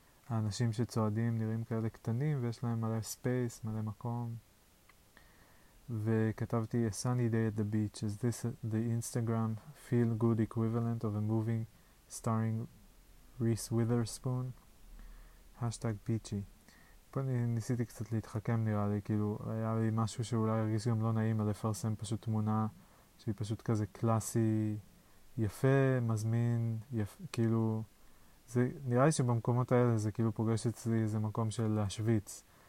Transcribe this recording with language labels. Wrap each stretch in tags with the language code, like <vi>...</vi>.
<he>האנשים שצועדים נראים כאלה קטנים ויש להם מלא ספייס, מלא מקום. וכתבתי,</he> <en>A sunny day at the beach, is this the Instagram feel good equivalent of a movie starring Reese Witherspoon? Hashtag beachy.</en> <he>פה ניסיתי קצת להתחכם נראה לי, כאילו היה לי משהו שאולי הרגיש גם לא נעים, לפרסם פשוט תמונה שהיא פשוט כזה קלאסי, יפה, מזמין, יפה, כאילו... זה, נראה לי שבמקומות האלה זה כאילו פוגש אצלי איזה מקום של להשוויץ.</he>